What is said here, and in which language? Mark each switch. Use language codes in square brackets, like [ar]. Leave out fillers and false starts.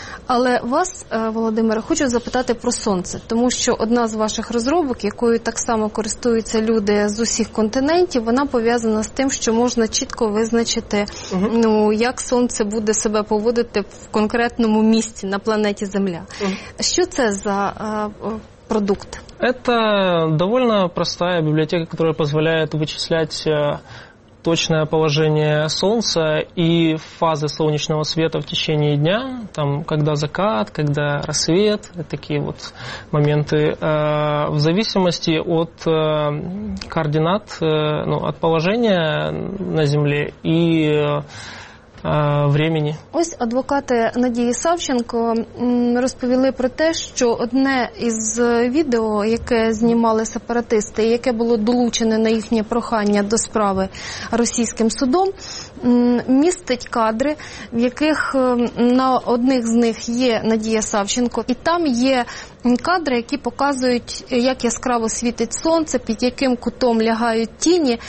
[uk] Але вас, Володимире, хочу запитати про сонце, тому що одна з ваших розробок, якою так само користуються люди з усіх континентів, вона пов'язана з тим, що можна чітко визначити, ну, як сонце буде себе поводити в конкретному місці на планеті Земля. Що це за продукт? Це доволі проста бібліотека, яка дозволяє [ru] вичислять точное положение Солнца и фазы солнечного света в течение дня, там, когда закат, когда рассвет, такие вот моменты, в зависимости от координат, ну, от положения на Земле и времени. [uk] Ось адвокати Надії Савченко розповіли про те, що одне із відео, яке знімали сепаратисти, яке було долучене на їхнє прохання до справи російським судом, містить кадри, в яких на одних з них є Надія Савченко, і там є кадри, які показують, як яскраво світить сонце, під яким кутом лягають тіні.